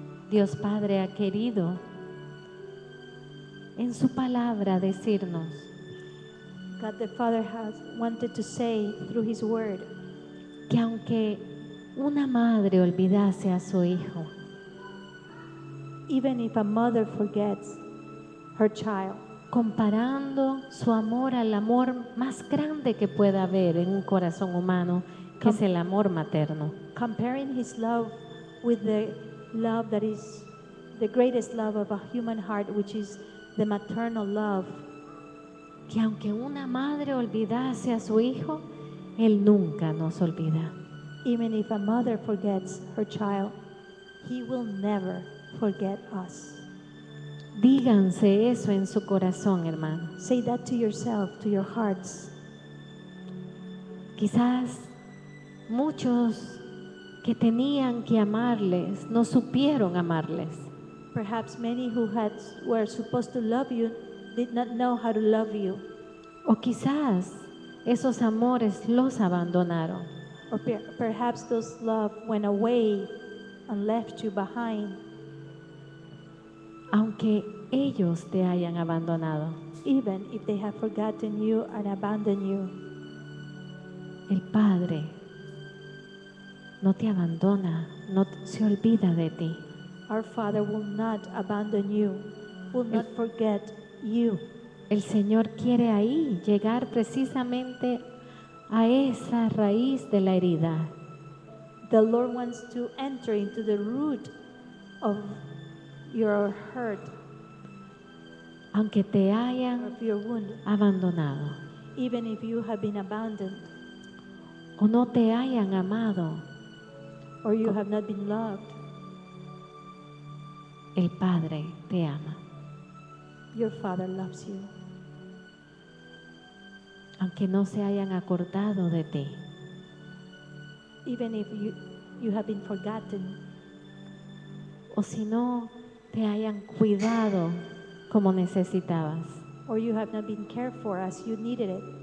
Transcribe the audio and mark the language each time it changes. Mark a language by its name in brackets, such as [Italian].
[Spanish] Dios Padre ha querido en su palabra decirnos, [English] God the Father has wanted to say through his word, [Spanish] que aunque una madre olvidase a su hijo, [English] even if a mother forgets her child, [Spanish] comparando su amor al amor más grande que pueda haber en un corazón humano, que es el amor materno, [English] comparing his love with the love that is the greatest love of a human heart, which is the maternal love. [Spanish] Que aunque una madre olvidase a su hijo, él nunca nos olvida. [English] Even if a mother forgets her child, he will never forget us. [Spanish] Díganse eso en su corazón, hermano. [English] Say that to yourself, to your hearts. [Spanish] Quizás muchos que tenían que amarles no supieron amarles. [English] Perhaps many who had were supposed to love you did not know how to love you. [Spanish] O quizás esos amores los abandonaron. [English] Or perhaps those love went away and left you behind. [Spanish] Aunque ellos te hayan abandonado, [English] even if they have forgotten you and abandoned you, [Spanish] el Padre no te abandona, no se olvida de ti. [English] Our Father will not abandon you, will not forget you. [Spanish] El Señor quiere ahí llegar precisamente a esa raíz de la herida. [English] The Lord wants to enter into the root of your hurt. [Spanish] Aunque te hayan [English] of your wound, [Spanish] abandonado, [English] even if you have been abandoned, [Spanish] o no te hayan amado, [English] or you have not been loved, [Spanish] el Padre te ama. [English] Your Father loves you. [Spanish] Aunque no se hayan acordado de ti, [English] even if you have been forgotten, [Spanish] o si no te hayan cuidado como necesitabas, [English] or you have not been cared for as you needed it,